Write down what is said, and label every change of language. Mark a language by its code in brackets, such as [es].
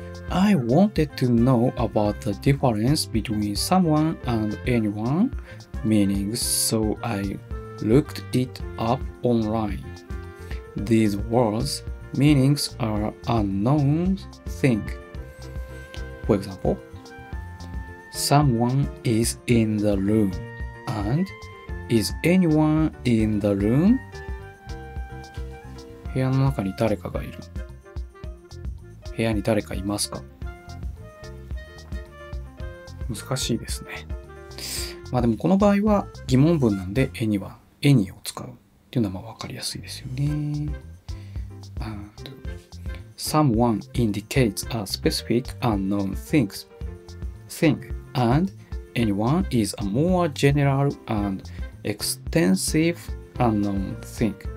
[en] I wanted to know about the difference between someone and anyone meaning, so I looked it up online. These words. Meanings are unknown things. For example, someone is in the room and is anyone in the room? [ja] 部屋の中に誰かがいる。部屋に誰かいますか？難しいですね。まあでもこの場合は疑問文なんで any を使うっていうのはまあ分かりやすいですよね。 [en] And someone indicates a specific unknown thing, and anyone is a more general and extensive unknown thing.